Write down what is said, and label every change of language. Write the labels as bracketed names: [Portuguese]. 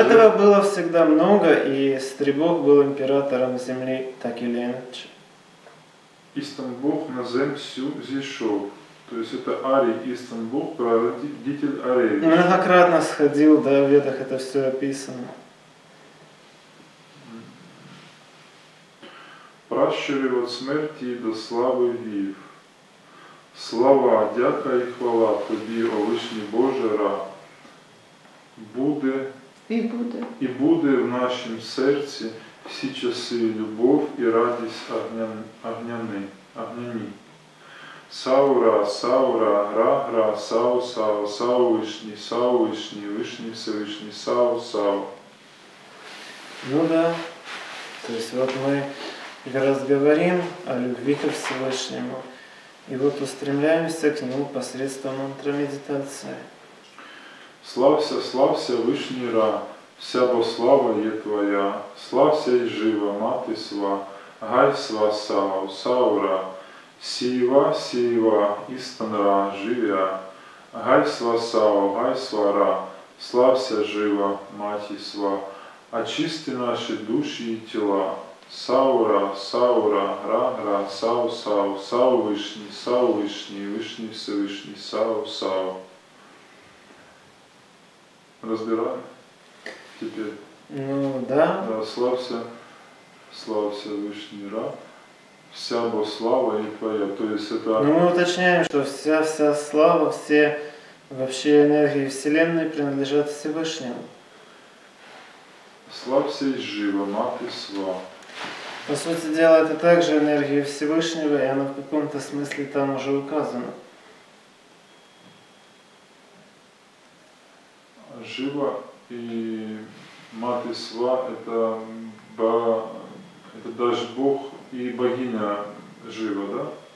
[Russian] этого было всегда много, и Стрибог был императором земли, так или иначе. Истан Бог на землю зашел. То есть это Ари Истан Бог, прародитель Ареви. Многократно сходил, да, в ведах это все описано. [Ukrainian] Пращурів от смерті до слави вів. Слава, дяка і хвала тобі, о Вишні Боже, Ра. Буде і буде. І буде в нашім серці всі часи любов і радість огняні. Саура, Саура, Ра-Ра, Сау-Сау, Сау-Вишні, Сау-Вишні, Вишні Всевишні, Сау-Сау. [Russian] Ну да. То есть вот мы как раз говорим о любви ко Всевышнему. И вот устремляемся к нему посредством мантра-медитации. [Ukrainian] Слався, слався, Вишні Ра, вся бо слава є твоя, слався й жива, мати сва, гай сва, Сау, Саура. Сіва, сіва, істанра, живя, гай сва сао, гай сва ра, слався жива, маті сва, очисти наші душі і тіла, Саура, Саура, Ра-Ра, Сау-Сау, Сау-Вышний, Сау-Вышний, Вышний Всевышний, Сау-Сау. [Russian] Разбираем теперь? Ну, да. Расслабься, слався Вышний Ра. Вся бо слава и твоя, то есть это... Ну, мы уточняем, что вся слава, все вообще энергии Вселенной принадлежат Всевышнему. Слався и жива, мати слава. По сути дела, это также энергия Всевышнего, и она в каком-то смысле там уже указана. Жива и мати слава – это даже Бог и богиня жива, да?